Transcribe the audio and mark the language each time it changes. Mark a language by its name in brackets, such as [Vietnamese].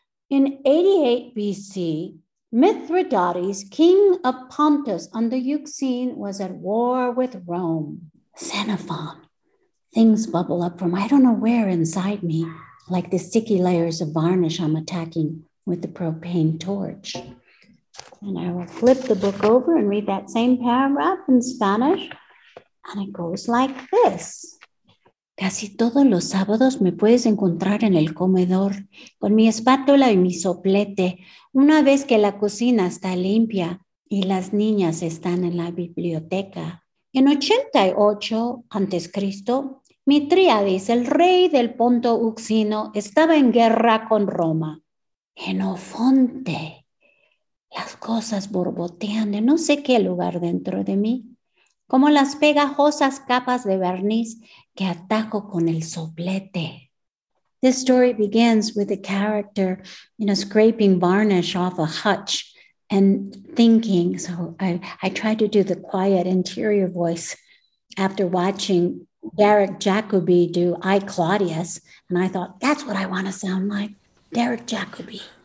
[English] In 88 BC, Mithridates, king of Pontus under Euxene, was at war with Rome. Xenophon. Things bubble up from I don't know where inside me, like the sticky layers of varnish I'm attacking with the propane torch. And I will flip the book over and read that same paragraph in Spanish. And it goes like this. [Spanish] Casi todos los sábados me puedes encontrar en el comedor con mi espátula y mi soplete, una vez que la cocina está limpia y las niñas están en la biblioteca. En 88 antes Cristo, Mitriades, el rey del Ponto Euxino, estaba en guerra con Roma. Jenofonte, las cosas borbotean de no sé qué lugar dentro de mí, como las pegajosas capas de barniz que ataco con el soplete. [English] This story begins with a character, you know, scraping varnish off a hutch and thinking. So I tried to do the quiet interior voice after watching Derek Jacobi do I, Claudius. And I thought, that's what I want to sound like, Derek Jacobi.